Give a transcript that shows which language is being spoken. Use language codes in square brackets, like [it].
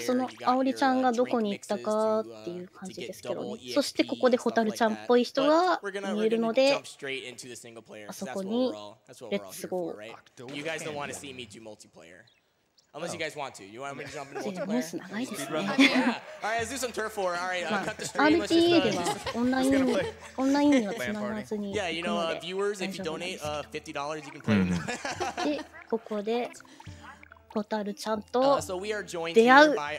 [ja] そのアオリちゃんがどこに行ったかっていう感じですけどね。そしてここでホタルちゃんっぽい人が見えるので、あそこにレッツゴー。 [en] You guys don't want to see me do multiplayer. Unless you guys want to, you want me to jump into multiplayer? Yeah, most nice. Yeah. All right, let's do some turf war. All right, cut the stream. RTA [ja] では [en] online [ja] online には繋がらずに。 [en] Yeah, you know, viewers, if you donate $50, you can play. [ja] でここでホタルちゃんと出会う。